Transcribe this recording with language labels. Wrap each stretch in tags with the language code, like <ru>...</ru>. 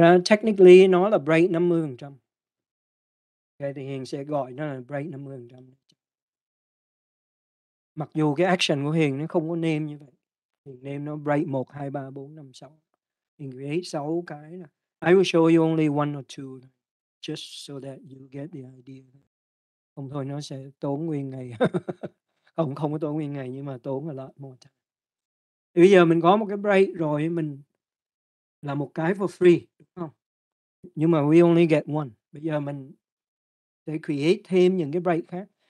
<vi>Technically nó là bright 50%. Okay. Thì hiện sẽ gọi nó là bright 50%. Mặc dù cái action của hiện nó không có name như vậy. Hiện name nó bright 1, 2, 3, 4, 5, 6. Hiện create 6 cái.</vi> <en>I will show you only one or two. Just so that you get the idea.</en> <vi>Không thôi nó sẽ tốn nguyên ngày. Không có tốn nguyên ngày, nhưng mà tốn là</vi> <en>lot more time.</en> <vi>Bây giờ mình có một cái break rồi, mình làm một cái</vi> <en>for free,</en> <vi>đúng không? Nhưng mà</vi> <en>we only get one.</en> <vi>Bây giờ mình sẽ create thêm những cái break khác.</vi>